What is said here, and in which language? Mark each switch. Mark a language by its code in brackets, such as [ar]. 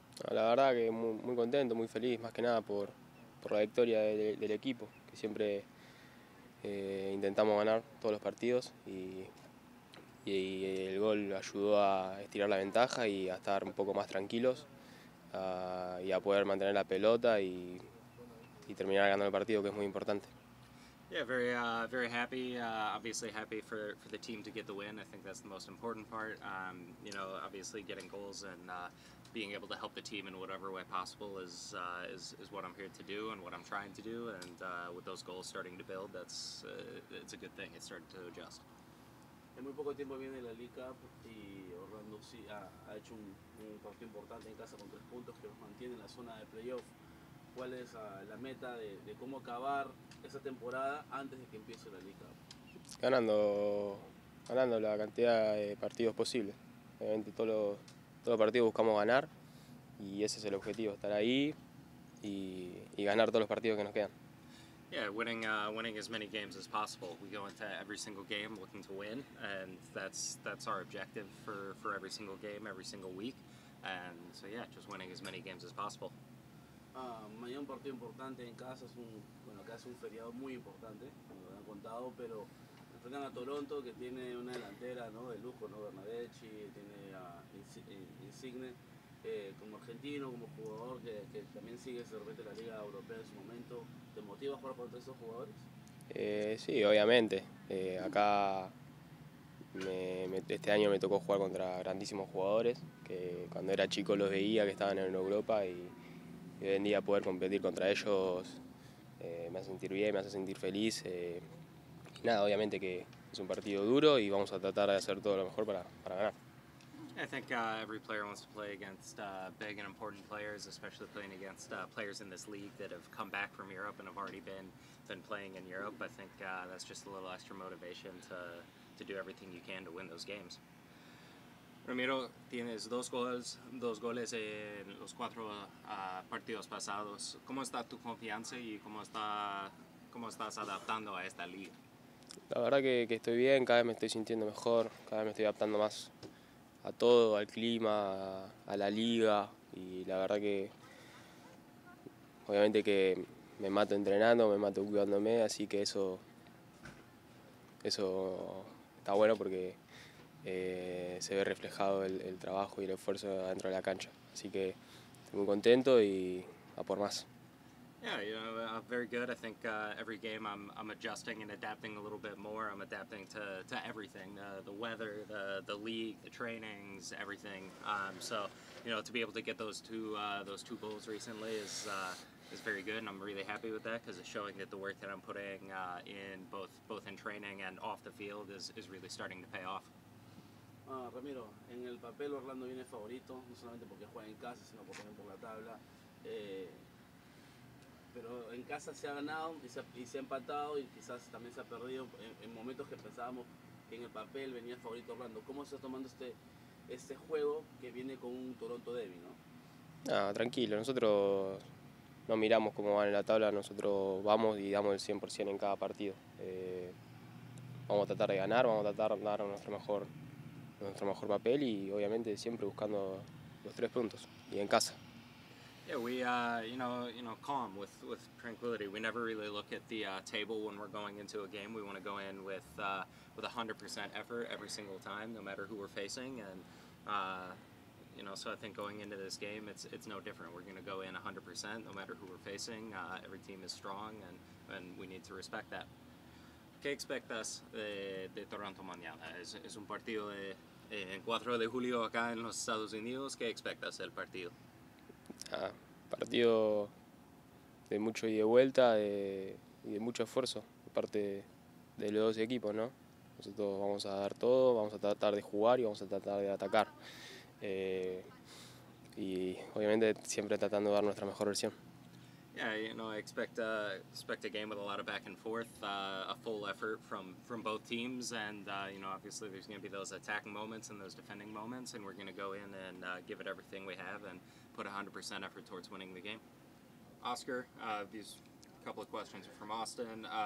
[es] La verdad que muy, muy contento, muy feliz, más que nada por la victoria del equipo, que siempre intentamos ganar todos los partidos y el gol ayudó a estirar la ventaja y a estar un poco más tranquilos y a poder mantener la pelota y terminar ganando el partido, que es muy importante. [en] Yeah, very happy. Obviously happy for the team to get the win. I think that's the most important part. You know, obviously getting goals and being able to help the team in whatever way possible is what I'm here to do and what I'm trying to do. And with those goals starting to build, that's it's a good thing. It's starting to adjust. [es] En muy poco tiempo viene la Liga Cup y Orlando sí ha hecho un partido importante en casa con 3 puntos que nos mantiene en la zona de playoff. ¿Cuál es la meta de cómo acabar esa temporada antes de que empiece la Liga? Ganando la cantidad de partidos posible. Obviamente todos los partidos buscamos ganar y ese es el objetivo, estar ahí y ganar todos los partidos que nos quedan. [en] Yeah, winning as many games as possible. We go into every single game looking to win, and that's our objective for every single game, every single week. And so yeah, just winning as many games as possible. [es] Mañana un partido importante en casa, es un feriado muy importante, como lo han contado, pero enfrentan a Toronto, que tiene una delantera, ¿no?, de lujo, ¿no?, Bernadeschi, tiene a Insigne, como argentino, como jugador, que también sigue de repente la Liga Europea en su momento. ¿Te motiva a jugar contra esos jugadores? Sí, obviamente. Acá este año me tocó jugar contra grandísimos jugadores, que cuando era chico los veía, que estaban en Europa, y hoy en día poder competir contra ellos me hace sentir bien, me hace sentir feliz. Nada, obviamente que es un partido duro y vamos a tratar de hacer todo lo mejor para ganar. [en] I think every player wants to play against big and important players, especially playing against players in this league that have come back from Europe and have already been playing in Europe. I think that's just a little extra motivation to to do everything you can to win those games. [es] Ramiro, tienes dos goles en los cuatro partidos pasados. ¿Cómo está tu confianza y cómo estás adaptando a esta liga? La verdad que estoy bien, cada vez me estoy sintiendo mejor, cada vez me estoy adaptando más a todo, al clima, a la liga, y la verdad que obviamente que me mato entrenando, me mato cuidándome, así que eso está bueno porque se ve reflejado el trabajo y el esfuerzo dentro de la cancha. Así que estoy muy contento y a por más. [en] Yeah, you know, I'm very good. I think every game I'm adjusting and adapting a little bit more. I'm adapting to everything, the weather, the league, the trainings, everything. So, you know, to be able to get those two goals recently is very good, and I'm really happy with that because it's showing that the work that I'm putting in both in training and off the field is really starting to pay off. [es] Ramiro, en el papel Orlando viene favorito, no solamente porque juega en casa, sino porque también por la tabla. Pero en casa se ha ganado y se ha empatado y quizás también se ha perdido en momentos que pensábamos que en el papel venía favorito Orlando. ¿Cómo se está tomando este juego que viene con un Toronto débil, no? Ah, tranquilo, nosotros no miramos cómo van en la tabla, nosotros vamos y damos el 100% en cada partido. Vamos a tratar de ganar, vamos a tratar de dar nuestro mejor papel y obviamente siempre buscando los tres puntos y en casa. [en] Yeah, we you know, calm with tranquility. We never really look at the table when we're going into a game. We want to go in with 100% effort every single time, no matter who we're facing. And you know, so I think going into this game, it's no different. We're going to go in 100% no matter who we're facing. Every team is strong, and we need to respect that. [es] ¿Qué expectas de Toronto mañana? Es un partido en 4 de julio acá en los Estados Unidos. ¿Qué expectas del partido? Ah, partido de mucho ida y vuelta y de mucho esfuerzo por parte de los dos equipos, ¿no? Nosotros vamos a dar todo, vamos a tratar de jugar y vamos a tratar de atacar. Y obviamente siempre tratando de dar nuestra mejor versión. [en] Yeah, you know, I expect a game with a lot of back and forth, a full effort from both teams, and you know, obviously there's going to be those attacking moments and those defending moments, and we're going to go in and give it everything we have and put 100% effort towards winning the game. Oscar, these couple of questions are from Austin.